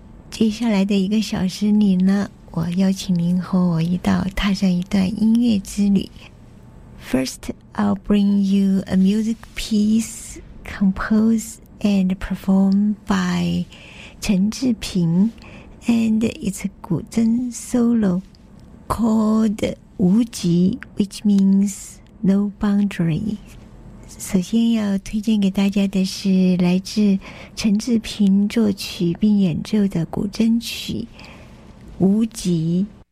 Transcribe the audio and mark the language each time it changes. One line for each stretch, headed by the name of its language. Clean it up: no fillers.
Chinese: 接下来的一个小时里呢，我邀请您和我一道踏上一段音乐之旅。
English: First, I'll bring you a music piece composed and performed by 陈志平 and it's a 古筝 solo called无极 which means no boundary.
Chinese: 首先要推荐给大家的是来自陈志平作曲并演奏的古筝曲无极。